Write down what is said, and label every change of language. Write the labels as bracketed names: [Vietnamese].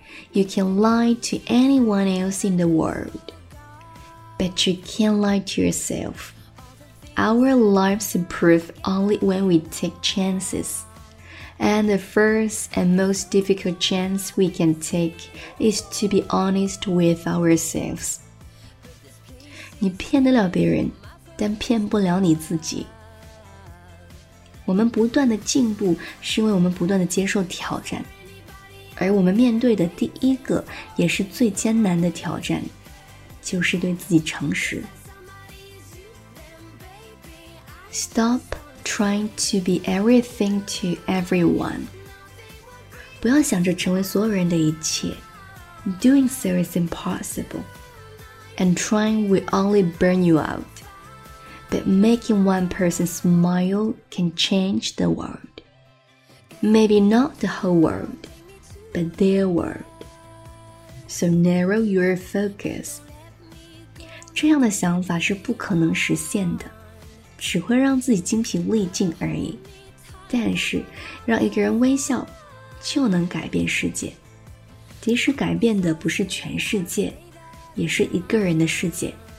[English] You can lie to anyone else in the world， but you can't lie to yourself。 Our lives improve only when we take chances. And the first and most difficult chance we can take is to be honest with ourselves. [Chinese] 你骗得了别人，但骗不了你自己。我们不断的进步是因为我们不断的接受挑战。而我们面对的第一个也是最艰难的挑战，就是对自己诚实。 [English] Stop trying to be everything to everyone. [Chinese] 不要想着成为所有人的一切。 [English] Doing so is impossible. And trying will only burn you out. But making one person smile can change the world. Maybe not the whole world, but their world. So narrow your focus. [Chinese] 这样的想法是不可能实现的。只会让自己精疲力尽而已，但是让一个人微笑就能改变世界，即使改变的不是全世界，也是一个人的世界。